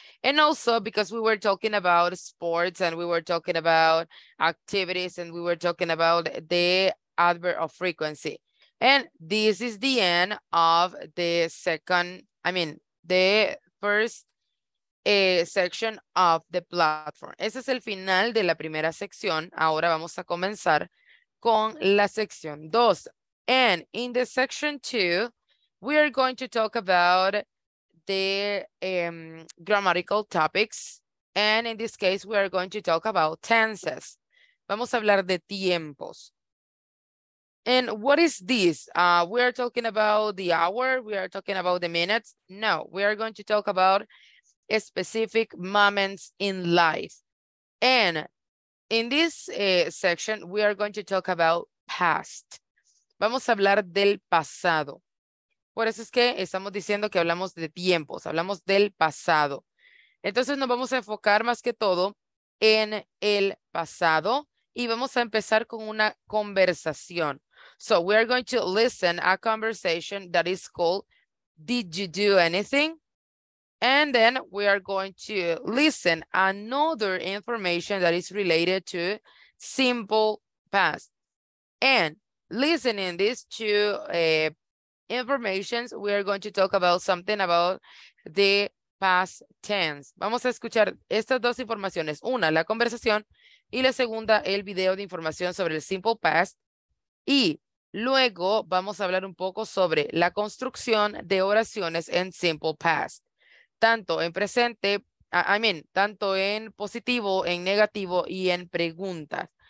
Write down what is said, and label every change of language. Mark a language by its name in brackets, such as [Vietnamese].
[English] And also because we were talking about sports and we were talking about activities and we were talking about the adverb of frequency. And this is the end of the first section of the platform. [Spanish] Ese es el final de la primera sección. Ahora vamos a comenzar con la sección 2. [English] And in the section 2, we are going to talk about the grammatical topics. And in this case, we are going to talk about tenses. [Spanish] Vamos a hablar de tiempos. [English] And what is this? We are talking about the hour. We are talking about the minutes. No, we are going to talk about specific moments in life. And in this section, we are going to talk about past. [Spanish] Vamos a hablar del pasado. Por eso es que estamos diciendo que hablamos de tiempos, hablamos del pasado. Entonces nos vamos a enfocar más que todo en el pasado y vamos a empezar con una conversación. [English] So we are going to listen a conversation that is called Did You Do Anything? And then we are going to listen another information that is related to simple past. And listening these two informations, we are going to talk about something about the past tense. [Spanish] Vamos a escuchar estas dos informaciones. Una, la conversación, y la segunda, el video de información sobre el simple past. Y luego vamos a hablar un poco sobre la construcción de oraciones en simple past. Tanto en presente, tanto en positivo, en negativo y en preguntas.